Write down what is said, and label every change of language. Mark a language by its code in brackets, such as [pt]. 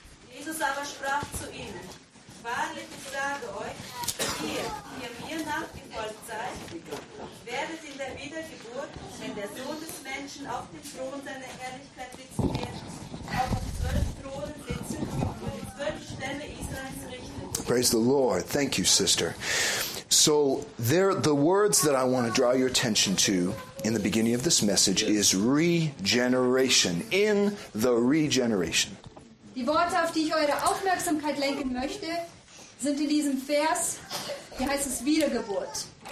[de] Jesus aber sprach zu ihnen, wahrlich, ich sage euch, ihr mir nachgefolgt seid, werdet in der Wiedergeburt, wenn der Sohn des Menschen auf dem Thron seiner Herrlichkeit sitzen wird, auf den 12 Thronen sitzen und die 12 Stämme Israels richten. [en] Praise the Lord. Thank you, sister. So there, the words that I want to draw your attention to in the beginning of this message is regeneration, in the regeneration. [de] Die Worte, auf die ich eure Aufmerksamkeit lenken möchte, sind in diesem Vers, hier heißt es Wiedergeburt.